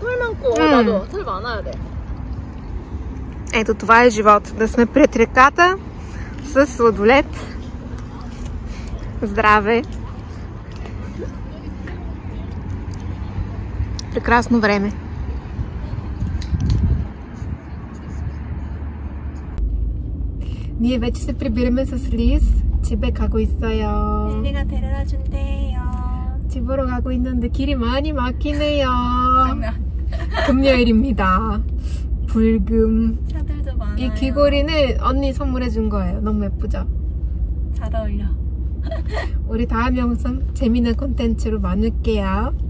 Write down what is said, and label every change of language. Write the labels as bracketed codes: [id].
[ko] 털 많고 나도 털 많아야 돼. [bg] 에도 това е живот. Да сме пред реката с сладолет. Здраве. Прекрасно време. Ние вече се прибираме с Лиз. [ko] 집에 가고 있어요. 릴리가 데려다 준대요. 집으로 가고 있는데 길이 많이 막히네요. 금요일입니다. 불금. 차들도 많아요. 이 귀걸이는 언니 선물해 준 거예요. 너무 예쁘죠? 잘 어울려. 우리 다음 영상 재미있는 콘텐츠로 만날게요.